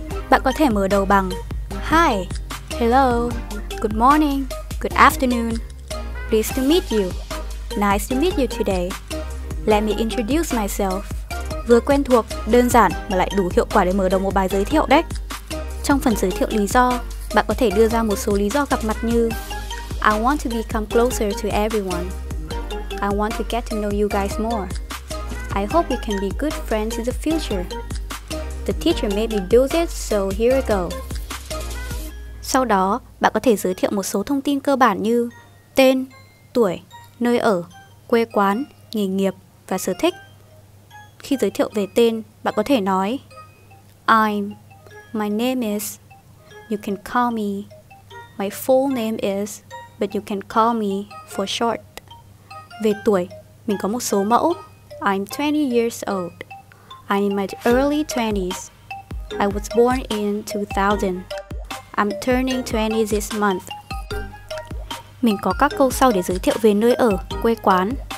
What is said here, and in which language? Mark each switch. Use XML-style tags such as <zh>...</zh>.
<vi>Bạn có thể mở đầu bằng</vi> <en>Hi, hello, good morning, good afternoon, pleased to meet you, nice to meet you today, let me introduce myself.</en> <vi>Vừa quen thuộc, đơn giản mà lại đủ hiệu quả để mở đầu một bài giới thiệu đấy. Trong phần giới thiệu lý do, bạn có thể đưa ra một số lý do gặp mặt như</vi> <en>I want to become closer to everyone, I want to get to know you guys more. I hope we can be good friends in the future. The teacher made me do this, so here we go.</en> <vi>Sau đó, bạn có thể giới thiệu một số thông tin cơ bản như tên, tuổi, nơi ở, quê quán, nghề nghiệp và sở thích. Khi giới thiệu về tên, bạn có thể nói</vi> <en>My name is, you can call me. My full name is, but you can call me for short.</en> <vi>Về tuổi, mình có một số mẫu.</vi> <en>I'm 20 years old. I'm in my early 20s. I was born in 2000. I'm turning 20 this month.</en> <vi>Mình có các câu sau để giới thiệu về nơi ở, quê quán.</vi>